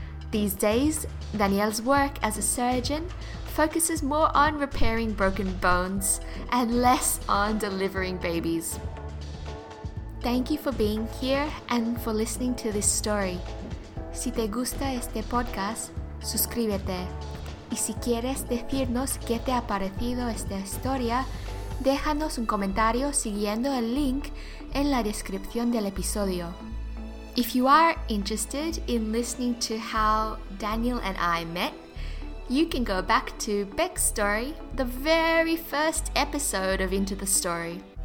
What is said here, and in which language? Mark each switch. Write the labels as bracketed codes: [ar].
[en] These days, Daniel's work as a surgeon focuses more on repairing broken bones and less on delivering babies. Thank you for being here and for listening to this story. [es] Si te gusta este podcast, suscríbete. Y si quieres decirnos qué te ha parecido esta historia, déjanos un comentario siguiendo el link en la descripción del episodio. [en] If you are interested in listening to how Daniel and I met, you can go back to Beck's story, the very first episode of Into the Story.